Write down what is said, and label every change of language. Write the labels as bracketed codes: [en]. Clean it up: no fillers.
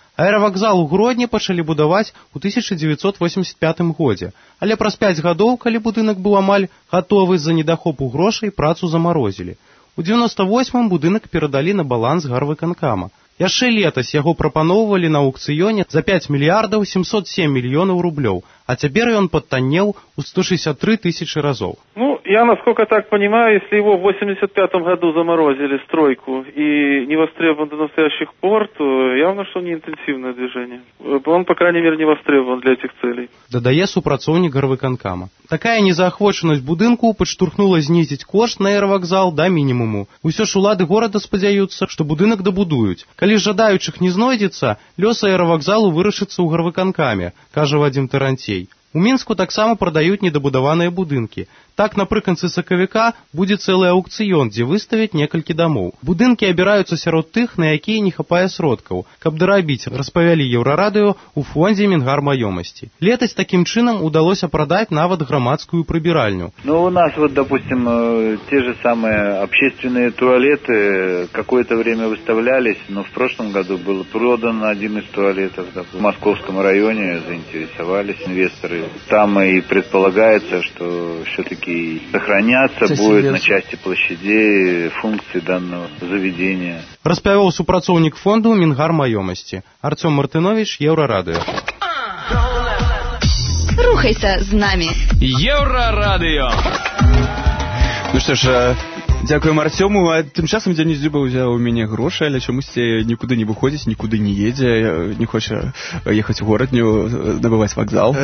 [be] Аэравакзал у Гродні пачалі будаваць у 1985 годзе, але праз 5 гадоў, калі будынак быў амаль гатовы з-за недахопу грошай, працу замарозілі. У 98-м будынак перадалі на баланс гарвыканкама. Яшчэ летась яго прапаноўвалі на аўкцыёне за 5 мільярдаў 707 мільёнаў рублёў, а цяпер ён падтаннеў у 163 тысячы разоў. [ru] Ну, я, насколько так понимаю, если его в 85-м году заморозили стройку и не востребован до настоящих пор, то явно, что не интенсивное движение. Он, по крайней мере, не востребован для этих целей. [be] Дадае супрацоўнік гарвыканкама. Такая незаахвочанасць будынку падштурхнула знізіць кошт на аэравакзал да мінімуму. Усё ж улады горада спадзяюцца, што будынак дабудуюць. Калі жадаючых не знойдзецца, лёс аэравакзалу вырашыцца ў гарвыканкаме, кажа Вадзім Таранцей. У Мінску таксама прадаюць недабудаваныя будынкі. Так, напрыканцы сакавіка будзе цэлы аукцыён, дзе выставяць некалькі дамоў. Будынкі абіраюцца сярод тых, на якія не хапае сродкаў, каб дарабіць, распавялі Еўрарадыё ў фондзе Мінгармаёмасці. Летась такім чынам удалося прадаць нават грамадскую прыбіральню. [ru] Ну, у нас, вот, допустим, те же самые общественные туалеты какое-то время выставлялись, но в прошлом году был продан один из туалетов, да, в московском районе заинтересовались инвесторы. Там и предполагается, что все-таки сохраняться будет на части площадей функции данного заведения. [be] Распавёў супрацоўнік фонду Мінгармаёмасці. Артём Мартынович, Еўрарадыё. Рухайся з намі. Еўрарадыё. Ну што ж, дзякуем Артёму. А тым часам Дзяніс Дзюба ўзяў у мяне грошы, але чамусьці нікуды не выходзіць, нікуды не едзе, не хоча ехаць у горадню, набываць вакзал.